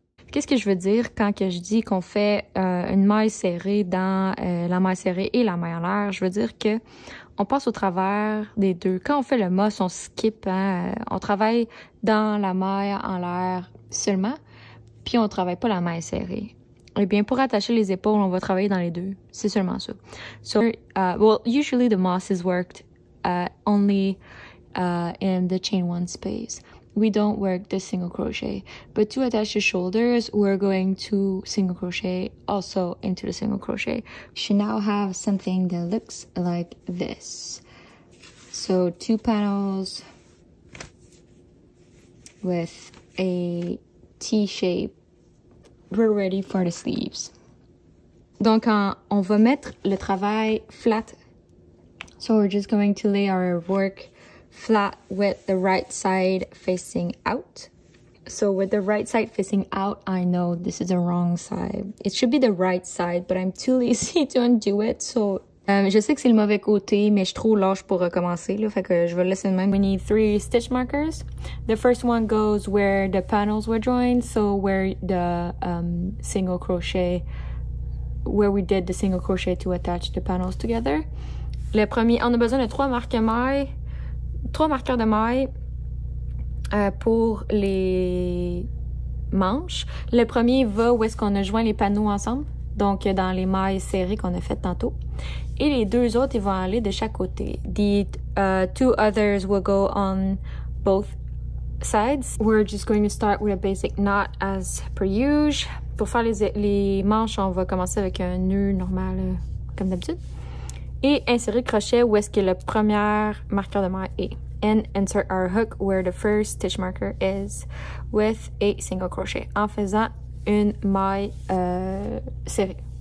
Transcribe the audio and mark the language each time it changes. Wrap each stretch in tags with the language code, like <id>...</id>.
<fr>Qu'est-ce que je veux dire quand que je dis qu'on fait une maille serrée dans la maille serrée et la maille en l'air? Je veux dire que on passe au travers des deux. Quand on fait le mos, on skip, hein, on travaille dans la maille en l'air seulement, puis on travaille pas la maille serrée. Eh bien, pour attacher les épaules, on va travailler dans les deux. C'est seulement ça.</fr> <en>So, well, usually the mos is worked only in the chain one space. We don't work the single crochet. But to attach the shoulders, we're going to single crochet also into the single crochet. You should now have something that looks like this. So two panels with a T shape. We're ready for the sleeves.</en> <fr>Donc on va mettre le travail flat.</fr> <en>So we're just going to lay our work flat with the right side facing out. So with the right side facing out, I know this is the wrong side. It should be the right side, but I'm too lazy to undo it. So</en> <fr>je sais que c'est le mauvais côté, mais je suis trop lâche pour recommencer là, fait que je vais laisser le même.</fr> <en>We need three stitch markers. The first one goes where the panels were joined, so where the single crochet, where we did the single crochet to attach the panels together.</en> <fr>Le premier, on a besoin de trois marques mailles. Trois marqueurs de maille pour les manches. Le premier va où est-ce qu'on a joint les panneaux ensemble, donc dans les mailles serrées qu'on a faites tantôt. Et les deux autres, ils vont aller de chaque côté.</fr> <en>The two others will go on both sides. We're just going to start with a basic knot as per usual.</en> <fr>Pour faire les manches, on va commencer avec un nœud normal comme d'habitude. Et insérer le crochet où est-ce que le premier marqueur de maille est.</fr> <en>and insert our hook where the first stitch marker is with a single crochet</en> <fr>en faisant une maille serrée.</fr>